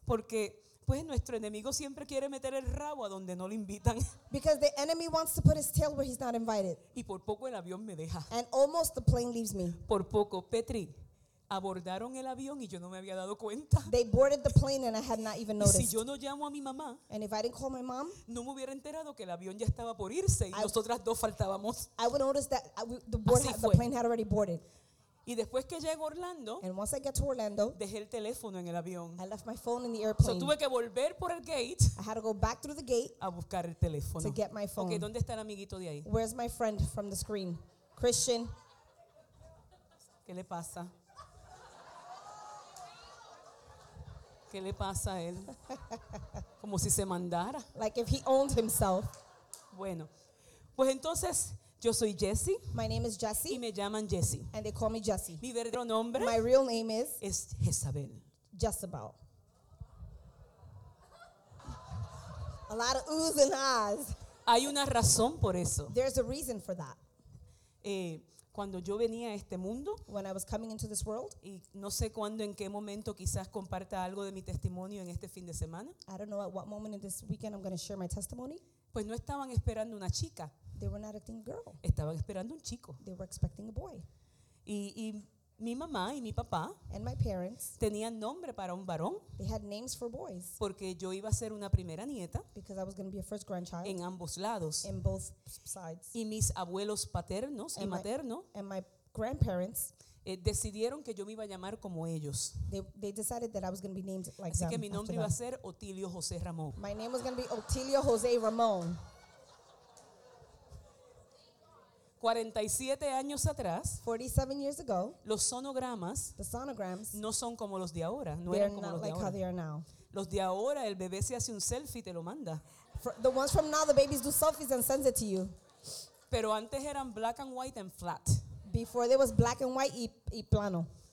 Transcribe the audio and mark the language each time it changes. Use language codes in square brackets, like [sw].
[es] Porque pues nuestro enemigo siempre quiere meter el rabo a donde no lo invitan. [en] Because the enemy wants to put his tail where he's not invited. [es] Y por poco el avión me deja. [en] And almost the plane leaves me. [es] Por poco, Petri, abordaron el avión y yo no me había dado cuenta. [en] They boarded the plane and I had not even noticed. [es] Y si yo no llamo a mi mamá, [en] and if I didn't call my mom, [es] no me hubiera enterado que el avión ya estaba por irse y nosotras dos faltábamos. [en] I would notice that the plane had already boarded. [es] Y después que llego a Orlando, [en] and once I get to Orlando, [es] dejé el teléfono en el avión. [en] I left my phone in the airplane. [es] So tuve que volver por el gate. [en] I had to go back through the gate [es] a buscar el teléfono. [en] To get my phone. [es] Okay, ¿dónde está el amiguito de ahí? [en] Where's my friend from the screen? Christian. [es] ¿Qué le pasa? ¿Qué le pasa a él? Como si se mandara. [en] Like if he owned himself. [es] Bueno. Pues entonces yo soy Jesse. [en] My name is Jesse. [es] Y me llaman Jesse. [en] And they call me Jesse. [es] Mi verdadero nombre. [en] My real name is. [es] Es Jezabel. [en] Jezebel. A lot of oohs and ahs. [es] Hay una razón por eso. [en] There's a reason for that. [es] Cuando yo venía a este mundo. [en] When I was coming into this world. [es] Y no sé cuándo, en qué momento, quizás comparta algo de mi testimonio en este fin de semana. [en] I don't know at what moment in this weekend I'm going to share my testimony. [es] Pues no estaban esperando una chica. [en] They were not expecting a girl. [es] Estaban esperando un chico. [en] They were expecting a boy. [es] Y mi mamá y mi papá, [en] and my parents, [es] tenían nombre para un varón. [en] They had names for boys. [es] Porque yo iba a ser una primera nieta. [en] Because I was going to be a first grandchild. [es] En ambos lados. [en] In both sides. [es] Y mis abuelos paternos y materno. [en] And my grandparents. [es] Decidieron que yo me iba a llamar como ellos. [en] They decided that I was going to be named like [es] así [en] them. [es] Así que mi nombre iba a ser Otilio José Ramón. [en] My name was going to be Otilio José Ramón. [es] 47 años atrás, [en] 47 years ago, [es] los sonogramas, [en] the sonograms, [es] no son como los de ahora, no eran como los [en] like [es] de ahora. [en] How they are now. [es] Los de ahora, el bebé se hace un selfie y te lo manda. [en] The ones from now, the babies do selfies and send it to you. [es] Pero antes eran [en] black and white and flat. Before there was black and white [es] y plano.